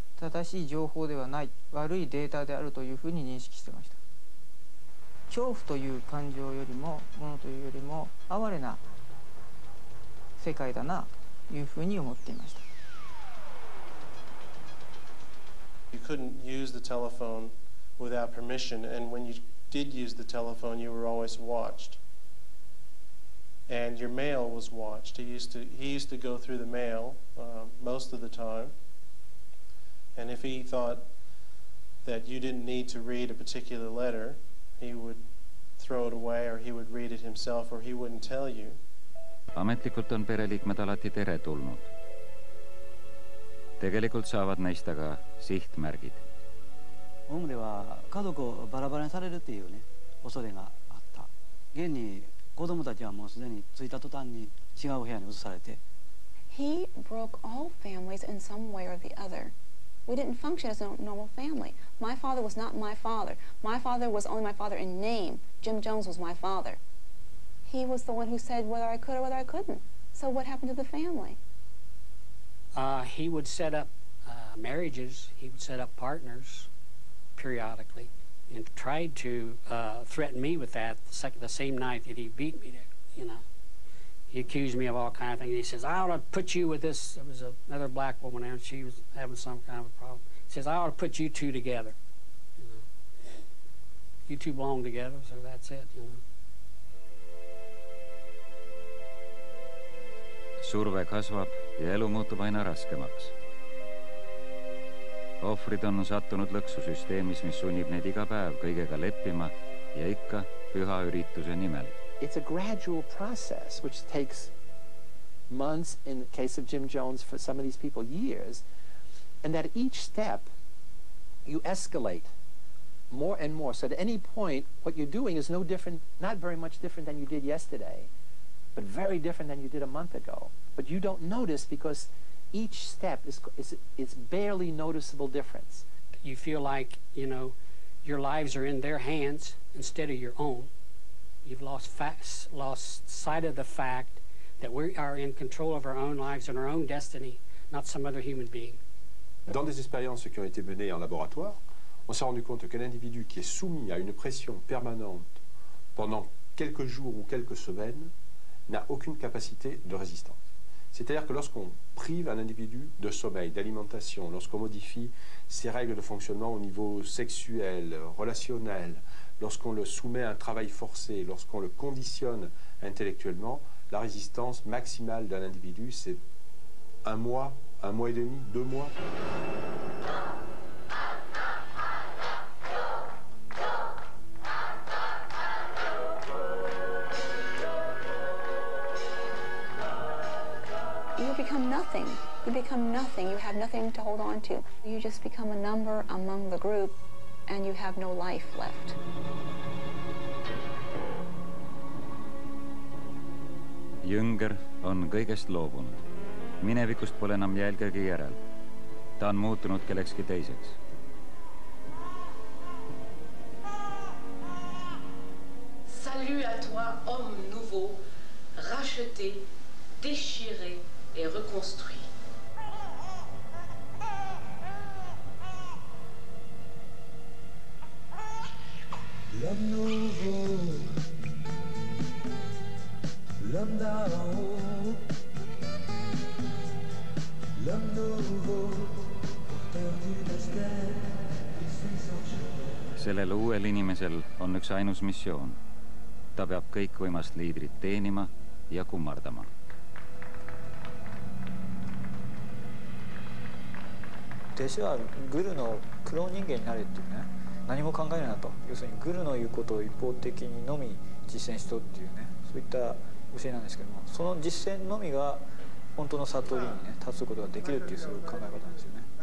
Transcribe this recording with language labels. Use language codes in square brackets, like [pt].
[ja] 正しい情報ではない悪いデータであるというふうに認識してました。恐怖という感情よりもものというよりも哀れな世界だなというふうに思っていました。 [en] You couldn't use the telephone without permission, and when you did use the telephone, you were always watched. And your mail was watched. He used to go through the mail most of the time. And if he thought that you didn't need to read a particular letter, he would throw it away, or he would read it himself, or he wouldn't tell you. [et] Ametlikult on pereliikmed alati teretulnud. Tegelikult saavad neist aga sihtmärgid. [ja] Omu では家族をバラバラにされるっていうね、恐れがあった。現に子供たちはもうすでに着いた途端に違う部屋に移されて。 [en] He broke all families in some way or the other. We didn't function as a normal family. My father was not my father. My father was only my father in name. Jim Jones was my father. He was the one who said whether I could or whether I couldn't. So what happened to the family? He would set up marriages, he would set up partners periodically, and tried to threaten me with that the same night that he beat me, you know. He accused me of all kinds of things. He says, I ought to put you with this, there was another black woman there, and she was having some kind of a problem. He says, I ought to put you two together. You know. You two belong together, so that's it, you know. [et] Surve kasvab ja elu muutub aina raskemaks. Ohvrid on sattunud lõksusüsteemis, mis sunnib neid iga päev kõigega leppima ja ikka püha ürituse nimel. [en] It's a gradual process, which takes months, in the case of Jim Jones, for some of these people, years, and at each step, you escalate more and more. So at any point, what you're doing is no different, not very much different than you did yesterday. But very different than you did a month ago. But you don't notice because each step is barely noticeable difference. You feel like, you know, your lives are in their hands instead of your own. You've lost sight of the fact that we are in control of our own lives and our own destiny, not some other human being. [fr] Dans les expériences qui ont été menées en laboratoire, on s'est rendu compte qu'un individu qui est soumis à une pression permanente pendant quelques jours ou quelques semaines n'a aucune capacité de résistance. C'est-à-dire que lorsqu'on prive un individu de sommeil, d'alimentation, lorsqu'on modifie ses règles de fonctionnement au niveau sexuel, relationnel, lorsqu'on le soumet à un travail forcé, lorsqu'on le conditionne intellectuellement, la résistance maximale d'un individu, c'est un mois et demi, deux mois. [en] You become nothing. You have nothing to hold on to. You just become a number among the group, and you have no life left. [et] Jünger on kõigest loobunud. Minevikust pole enam jälgegi järel. Ta on muutunud kellekski teiseks. [fr] Salut à toi, homme nouveau, racheté, déchiré et reconstruit. L'homme nouveau, l'homme d'en haut, l'homme nouveau, porteur du destin, il suit son chemin. [et] Sellel uuel inimesel on üks ainus missioon. Ta peab kõik võimast liidrit teenima ja kummardama. [ja] 弟子はグルのクローン人間になれっていうね。何も考えるなと、要するにグルの言うことを一方的にのみ実践しとっていうね、そういった教えなんですけども、その実践のみが本当の悟りにね、立つことができるっていうそういう考え方なんですよね。